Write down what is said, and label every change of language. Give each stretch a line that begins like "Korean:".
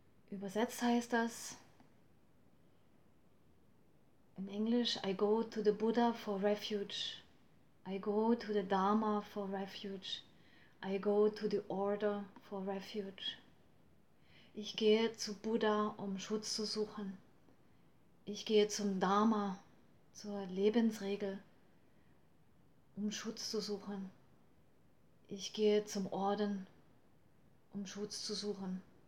German: Übersetzt heißt das in Englisch:
English: I go to the Buddha for refuge. I go to the Dharma for refuge. I go to the Order for refuge.
German: Ich gehe zu Buddha, um Schutz zu suchen. Ich gehe zum Dharma, zur Lebensregel, um Schutz zu suchen. Ich gehe zum Orden, um Schutz zu suchen.